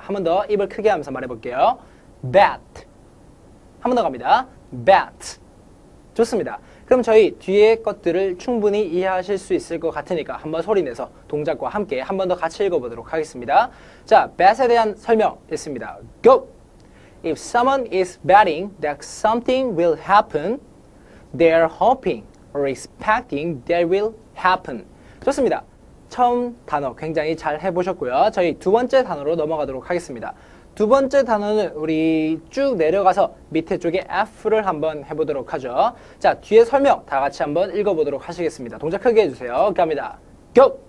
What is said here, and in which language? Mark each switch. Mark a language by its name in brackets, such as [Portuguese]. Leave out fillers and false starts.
[Korean] 한 번 더 입을 크게 하면서 말해볼게요. bet. 한 번 더 갑니다. bet. 좋습니다. 그럼 저희 뒤에 것들을 충분히 이해하실 수 있을 것 같으니까 한번 소리내서 동작과 함께 한 번 더 같이 읽어보도록 하겠습니다. 자, bet에 대한 설명 있습니다. Go! [English] If someone is betting that something will happen, they're hoping or expecting that will happen. [Korean] 좋습니다. 처음 단어 굉장히 잘 해보셨고요. 저희 두 번째 단어로 넘어가도록 하겠습니다. 두 번째 단어는 우리 쭉 내려가서 밑에 쪽에 F를 한번 해보도록 하죠. 자, 뒤에 설명 다 같이 한번 읽어보도록 하시겠습니다. 동작 크게 해주세요. 갑니다. Go!